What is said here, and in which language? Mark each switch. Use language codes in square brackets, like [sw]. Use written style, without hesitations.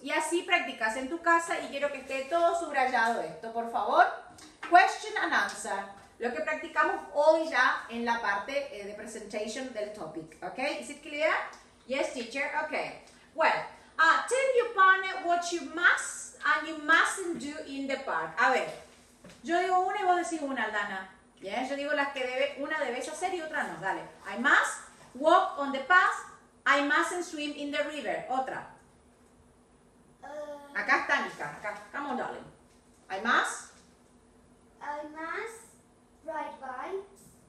[es] Y así practicas en tu casa y quiero que esté todo subrayado esto, por favor. [en] Question and answer. [es] Lo que practicamos hoy ya en la parte de presentation del topic. [en] Okay, is it clear? Yes, teacher, okay. Well, tell your partner what you must and you mustn't do in the park. [es] A ver, yo digo una y vos decís una, Aldana. Yes, yo digo las que debe, una debes hacer y otra no. [en] Dale. I must walk on the path. I mustn't swim in the river. Otra. [es] Acá está, Nika. Acá. [en] Come on, darling. I must. I must ride bikes.